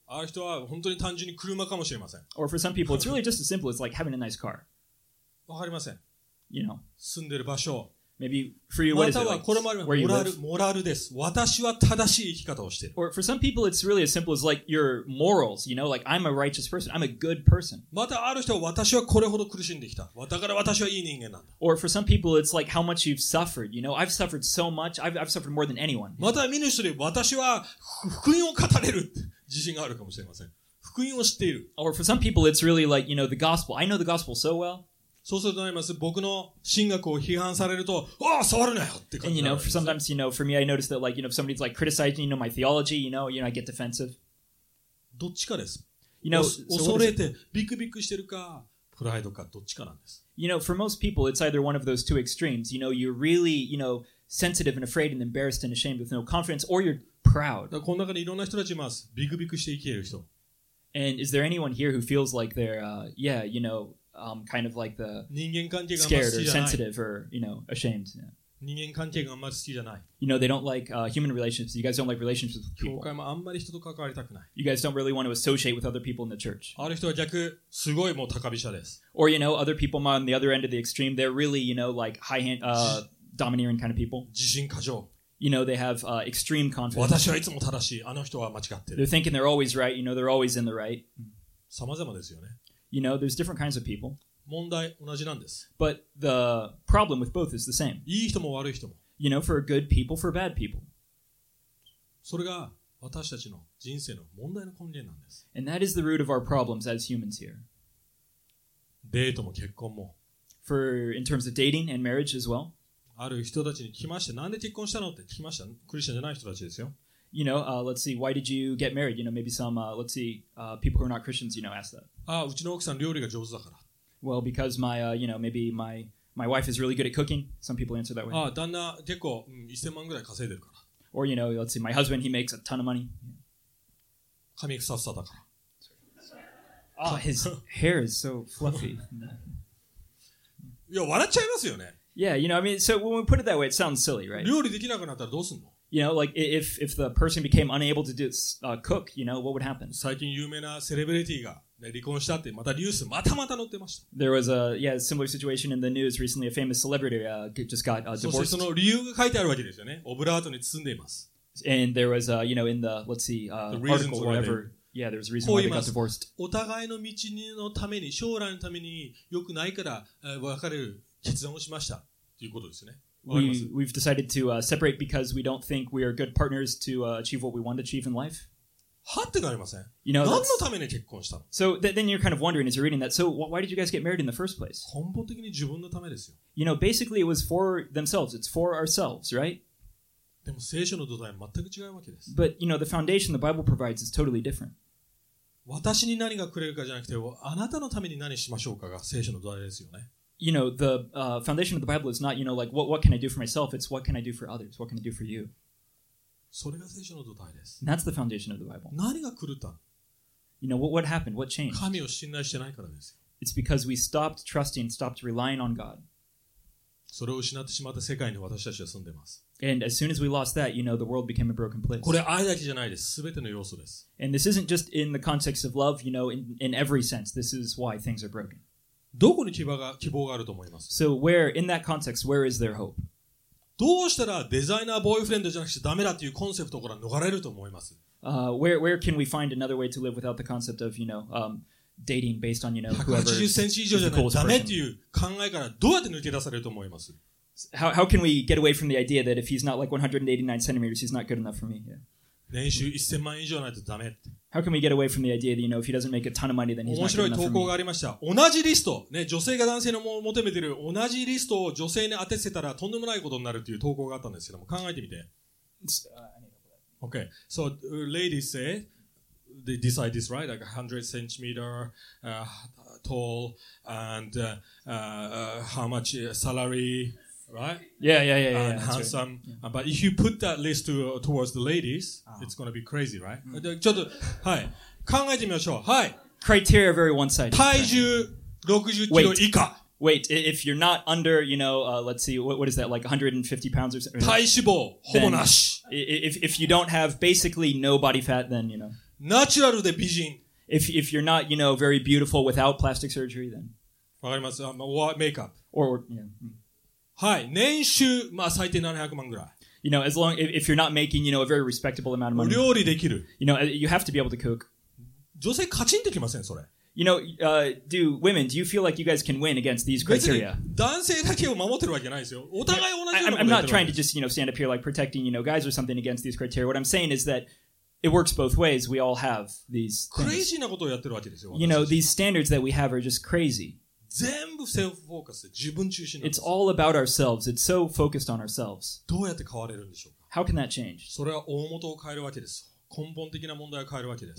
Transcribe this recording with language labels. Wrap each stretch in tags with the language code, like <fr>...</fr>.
<ja>ある人は本当に単純に車かもしれません。</ja> <en>Or for some people, it's really just as simple as like having a nice car.</en> <ja>わかりません。</ja> <en>You know.</en> <ja>住んでる場所。</ja> <en>Maybe for you, what is it?</en> <ja>またはこれもあります。モラルです。私は正しい生き方をしている。</ja> <en>Or for some people, it's really as simple as like your morals. You know, like I'm a righteous person. I'm a good person.</en> <ja>またある人は私はこれほど苦しんできた。だから私はいい人間なんだ。</ja> <en>Or for some people, it's like how much you've suffered. You know, I've suffered so much. I've suffered more than anyone.</en> <ja>また見ぬ人に私は福音を語れる自信があるかもしれません。福音を知っている。</ja> <en>Or for some people, it's really like, you know, the gospel. I know the gospel so well.</en> <ja>そうすると何ます僕の神学を批判されると、おお触るなよって感じ。</ja> <en>And you know, sometimes you know, for me, I notice that like, you know, if somebody's like criticizing you know, my theology, you know, I get defensive.</en> <ja>どっちかです。</ja> <en>You know,</en> <ja>恐れてビクビクしてるか、プライドかどっちかなんです。</ja> <en>You know, for most people, it's either one of those two extremes. You know, you're really, you know, sensitive and afraid and embarrassed and ashamed with no confidence, or you're proud.</en> <ja>だからこの中にいろんな人たちいます。ビクビクして生きている人。</ja> <en>And is there anyone here who feels like they're, yeah, you know,kind of like the scared or sensitive or you know ashamed. You know they don't like human relationships. You guys don't like relationships with people.</en> <ja>教会もあんまり人と関わりたくない。</ja> <en>You guys don't really want to associate with other people in the church.</en> <ja>ある人は逆すごいもう高飛車です。</ja> <en>Or you know other people on the other end of the extreme, they're really you know like high hand, domineering kind of people.</en> <ja>自信過剰。</ja> <en>You know they have extreme confidence.</en> <ja>私はいつも正しい。あの人は間違ってる。</ja> <en>They're thinking they're always right. You know they're always in the right.</en> <ja>様々ですよね。</ja> <en>You know, there's different kinds of people.</en> <ja>問題同じなんです。</ja> <en>But the problem with both is the same.</en> <ja>いい人も悪い人も。</ja> <en>You know, for good people, for bad people.</en> <ja>それが私たちの人生の問題の根源なんです。</ja> <en>And that is the root of our problems as humans here.</en> <ja>デートも結婚も。</ja> <en>For in terms of dating and marriage as well.</en> <ja>ある人たちに聞きました。なんで結婚したのって聞きました。クリスチャンじゃない人たちですよ。</ja> <en>You know, let's see, why did you get married? You know, maybe some, let's see, people who are not Christians, you know, ask that.</en> <ja>Ah, うちの奥さん料理が上手だから。</ja> <en>Well, because my, you know, maybe my wife is really good at cooking. Some people answer that way.</en> <ja>Ah, 旦那結構、1000万ぐらい稼いでるから。</ja> <en>Or, you know, let's see, my husband, he makes a ton of money.</en> <ja>髪ふさふさだから。</ja> <en>Ah, his hair is so fluffy.</en> <ja>いや、笑っちゃいますよね。</ja> <en>Yeah, you know, I mean, so when we put it that way, it sounds silly, right?</en> <ja>料理できなくなったらどうすんの？</ja> <en>You know, like if the person became unable to do, cook, you know, what would happen?</en> <ja>最近有名なセレブリティが、ね、離婚したってまたニュースまたまた載ってました。</ja> <en>There was a similar situation in the news recently. A famous celebrity just got divorced.</en> <ja>そしてその理由が書いてあるわけですよね。オブラートに包んでいます。</ja> <en>And there was you know, in the, let's see, the article or whatever. Yeah, there was a reason why they got divorced.</en> <ja>お互いの道のために、将来のために良くないから、別れる決断をしましたということですね。</ja> <en>We've decided to separate because we don't think we are good partners to achieve what we want to achieve in life.</en> <ja>はってなりません。</ja> <en>You know,</en> <ja>何のために結婚したの</ja> <en>？So then you're kind of wondering as you're reading that. So why did you guys get married in the first place?</en> <ja>根本的に自分のためですよ。</ja> <en>You know, basically it was for themselves. It's for ourselves, right?</en> <ja>でも聖書の土台は全く違うわけです。</ja> <en>But you know, the foundation the Bible provides is totally different.</en> <ja>私に何がくれるかじゃなくて、あなたのために何しましょうかが聖書の土台ですよね。</ja> <en>You know, the foundation of the Bible is not, you know, like, what can I do for myself? It's what can I do for others? What can I do for you?</en> <ja>それが聖書の土台です。</ja> <en>That's the foundation of the Bible.</en> <ja>何が狂った?</ja> <en>You know, what happened? What changed?</en> <ja>神を信頼してないからです。</ja> <en>It's because we stopped trusting, stopped relying on God.</en> <ja>それを失ってしまった世界に私たちは住んでます。</ja> <en>And as soon as we lost that, you know, the world became a broken place.</en> <ja>これ愛だけじゃないです。全ての要素です。</ja> <en>And this isn't just in the context of love, you know, in every sense. This is why things are broken.</en> <ja>どこに希望があると思います?</ja> <en>So where, in that context, where is their hope?</en> <ja>どうしたらデザイナーボーイフレンドじゃなくてダメだっていうコンセプトから逃れると思います?</ja> <en>Where can we find another way to live without the concept of, you know, dating based on, you know, whoever is the coolest person?</en> <ja>180cm 以上じゃないダメっていう考えからどうやって抜け出されると思います?</ja> <en>How can we get away from the idea that if he's not like 189cm, he's not good enough for me? Yeah.</en> <ja>年収1000万以上ないとダメ。</ja> <en>How can we get away from the idea that, you know, if he doesn't make a ton of money, then he's not good enough for me?</en> <ja>面白い投稿がありました。同じリスト、ね、女性が男性の求めている同じリストを女性に当ててたらとんでもないことになるという投稿があったんですけども、考えてみて。</ja> <en>Okay, so ladies say, they decide this, right? Like 100 centimeter tall and how much salary... Right? Yeah. And handsome. Right. Yeah. But if you put that list to, towards the ladies,、oh. it's going to be crazy, right?、Mm.</en> <ja>ちょっと、はい。考えてみましょう。はい。</ja> <en>Criteria very one-sided.</en> <ja>体重60キロ以下。</ja> <en>Wait, if you're not under, you know,、let's see, what is that, like 150 pounds or something?</en> <ja>体脂肪、ほぼなし。</ja> <en>If you don't have basically no body fat, then, you know.</en> <ja>ナチュラルで美人。</ja> <en>If you're not, you know, very beautiful without plastic surgery, then.</en> <ja>わかります。まあ、メイクアップ。</ja> <en>Or, yeah.</en> <ja>はい。年収、まあ、最低700万ぐらい。</ja> <en>You know, as long, if you're not making, you know, a very respectable amount of money.</en> <ja>料理できる。</ja> <en>You know, you have to be able to cook.</en> <ja>女性、カチンってきません、それ。</ja> <en>You know, do women, do you feel like you guys can win against these criteria?</en> <ja>別に男性だけを守ってるわけないですよ。お互い同じようなこと言ってるわけです。</ja> <en>I'm not trying to just, you know, stand up here like protecting, you know, guys or something against these criteria. What I'm saying is that it works both ways. We all have these things.</en> <ja>クレイジーなことをやってるわけですよ。</ja> <en>You know, these standards that we have are just crazy.</en> <ja>全部セルフフォーカス、自分中心な</ja> <en>の。It's all about ourselves. It's so focused on ourselves.</en> <ja>どうやって変われるんでしょうか?</ja> <en>How can that change?</en> <ja>それは大元を変えるわけです。根本的な問題を変えるわけです。</ja>